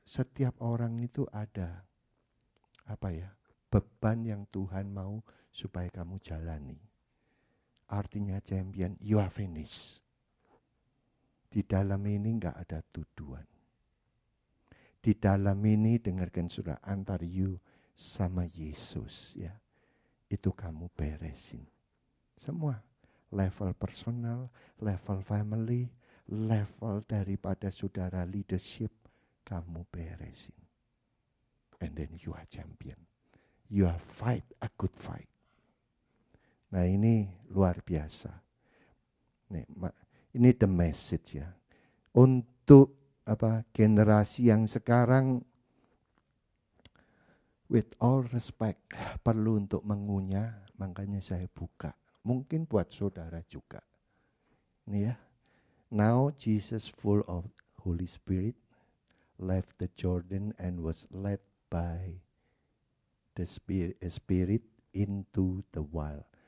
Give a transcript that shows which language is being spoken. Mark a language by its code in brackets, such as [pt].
[id] Setiap orang itu ada apa ya? Beban yang Tuhan mau supaya kamu jalani. Artinya [en] champion, you are finished. [id] Di dalam ini enggak ada tuduhan. Di dalam ini dengarkan saudara, antar you sama Yesus ya. Itu kamu beresin. Semua. Level personal, level family, level daripada saudara leadership, kamu beresin. [en] And then you are champion. You are fight a good fight. [id] Nah ini luar biasa. Ini [en] the message [id] ya. Untuk apa generasi yang sekarang, [en] with all respect, [id] perlu untuk mengunyah, makanya saya buka. Mungkin buat saudara juga. Ini ya. [en] Now Jesus full of Holy Spirit left the Jordan and was led by the Spirit into the wild.